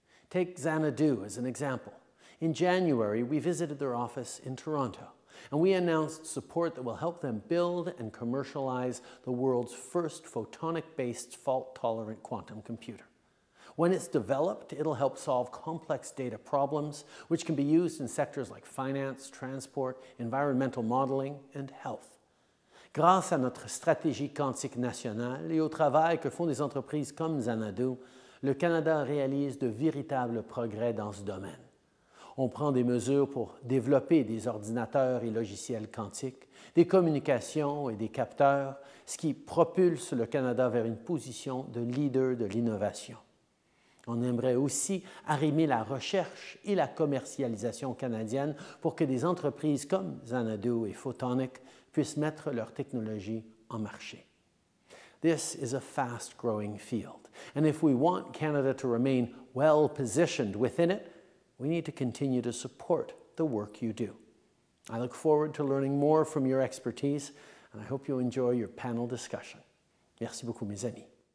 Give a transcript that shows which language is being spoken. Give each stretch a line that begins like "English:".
English: Take Xanadu as an example. In January, we visited their office in Toronto, and we announced support that will help them build and commercialize the world's first photonic-based fault-tolerant quantum computer. When it's developed, it'll help solve complex data problems, which can be used in sectors like finance, transport, environmental modeling, and health.
French: Grâce à notre stratégie quantique nationale et au travail que font des entreprises comme Xanadu, le Canada réalise de véritables progrès dans ce domaine. On prend des mesures pour développer des ordinateurs et logiciels quantiques, des communications et des capteurs, ce qui propulse le Canada vers une position de leader de l'innovation. On aimerait aussi arrimer la recherche et la commercialisation canadienne pour que des entreprises comme Xanadu et Photonic puissent mettre leur technologie en marché.
English: This is a fast-growing field, and if we want Canada to remain well-positioned within it, we need to continue to support the work you do. I look forward to learning more from your expertise, and I hope you enjoy your panel discussion.
French: Merci beaucoup, mes amis.